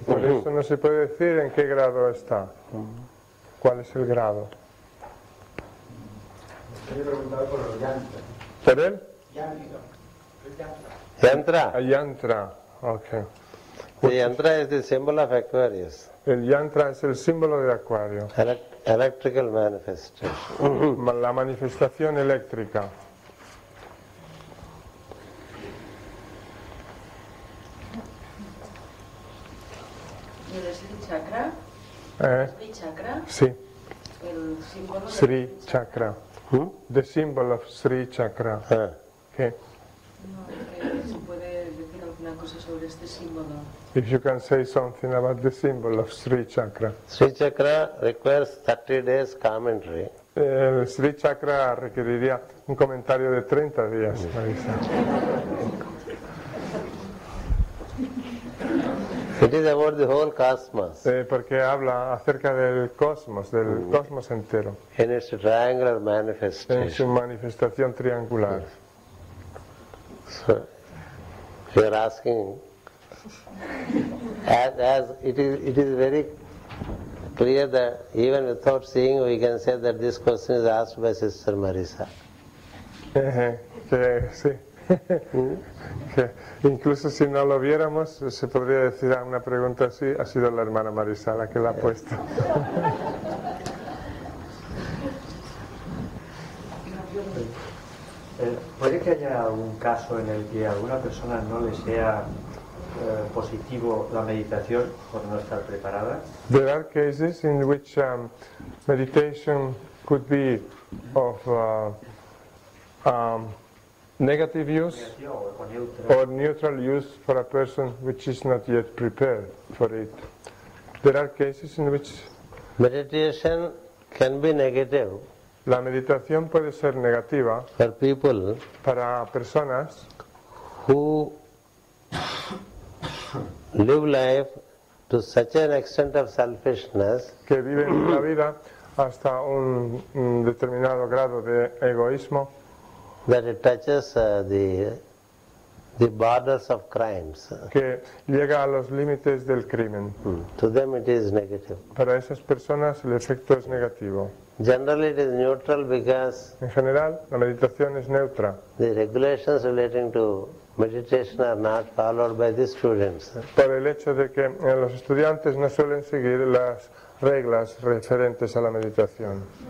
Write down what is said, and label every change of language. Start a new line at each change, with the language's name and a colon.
Spanish: Por eso no se puede decir en qué grado está. ¿Cuál es el grado? Estoy preguntando por el yantra. ¿Por él? Yantra. Yantra.
English: Yantra, okay. The yantra is the symbol of Aquarius.
Spanish: El yantra es el símbolo de Acuario.
English: Electrical manifestation.
Spanish: La manifestación eléctrica. ¿El Sri Chakra? ¿Sri Chakra? Sí. ¿El símbolo?
English: Sri Chakra. The symbol of Sri Chakra.
Spanish: ¿Qué? No, ¿se puede decir alguna cosa sobre este símbolo?
English: If you can say something about the symbol of Sri Chakra. Sri Chakra requires 30 days commentary.
Spanish: El Sri Chakra requeriría un comentario de 30 días.
English: It is about the whole cosmos.
Spanish: Porque habla acerca del cosmos entero.
English: In its triangular manifestation.
Spanish: En su manifestación triangular.
English: So, you are asking, as it is very clear that even without seeing, we can say that this question is asked by Sister Marisa.
Spanish: Sí. Que incluso si no lo viéramos se podría decir a una pregunta así ha sido la hermana Marisa la que la ha puesto. ¿Puede que haya algún caso en el que a alguna persona no le sea positivo la meditación por no estar preparada?
English: There are cases in which meditation could be of negative use or neutral use for a person which is not yet prepared for it. There are cases in which meditation can be negative.
Spanish: La meditación puede ser negativa
English: for people
Spanish: para personas
English: who live life to such an extent of selfishness
Spanish: que viven la vida hasta un determinado grado de egoísmo.
English: That it touches the borders of crimes.
Spanish: Que llega a los límites del crimen.
English: To them it is negative.
Spanish: Para esas personas el efecto es negativo.
English: Generally it is neutral because
Spanish: en general la meditación es neutra.
English: The regulations relating to meditation are not followed by the students.
Spanish: Por el hecho de que los estudiantes no suelen seguir las reglas referentes a la meditación.